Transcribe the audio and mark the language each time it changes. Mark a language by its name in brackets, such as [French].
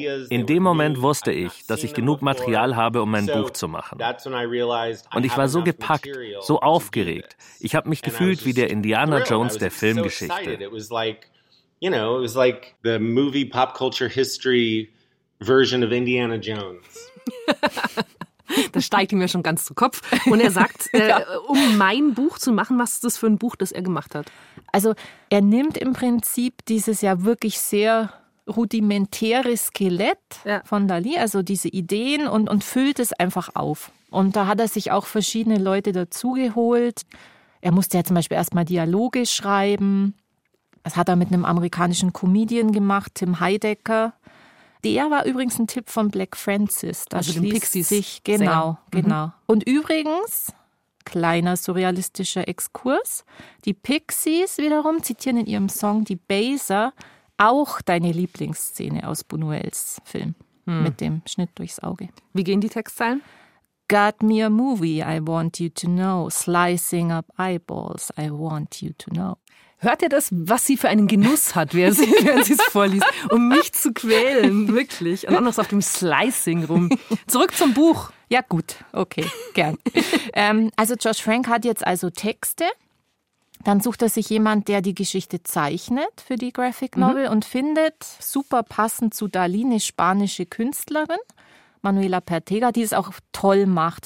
[German] In dem Moment wusste ich, dass ich genug Material habe, um mein Buch zu machen. Und ich war so gepackt, so aufgeregt. Ich habe mich gefühlt wie der Indiana Jones der Filmgeschichte. [English] You know, it was like the movie pop culture history version of Indiana Jones. [German] Das steigt ihm ja schon ganz zu Kopf. Und er sagt, um mein Buch zu machen, was ist das für ein Buch, das er gemacht hat? Also er nimmt im Prinzip dieses ja wirklich sehr rudimentäre Skelett von Dalí, also diese Ideen, und füllt es einfach auf. Und da hat er sich auch verschiedene Leute dazugeholt. Er musste ja zum Beispiel erstmal Dialoge schreiben. Das hat er mit einem amerikanischen Comedian gemacht, Tim Heidecker. Der war übrigens ein Tipp von Black Francis. Das also den Pixies. Sich, genau, genau. Mhm. Und übrigens, kleiner surrealistischer Exkurs, die Pixies wiederum zitieren in ihrem Song Die Baser auch deine Lieblingsszene aus Buñuels Film mit dem Schnitt durchs Auge. Wie gehen die Textzeilen? [English] Got me a movie, I want you to know. Slicing up eyeballs, I want you to know. [German] Hört ihr das, was sie für einen Genuss hat, während sie es vorliest, um mich zu quälen, wirklich. Und auch noch so auf dem Slicing rum. Zurück zum Buch. Ja gut, okay, gern. Also Josh Frank hat jetzt also Texte. Dann sucht er sich jemand, der die Geschichte zeichnet für die Graphic Novel und findet super passend zu Dalí eine spanische Künstlerin, Manuela Pertega, die es auch toll macht.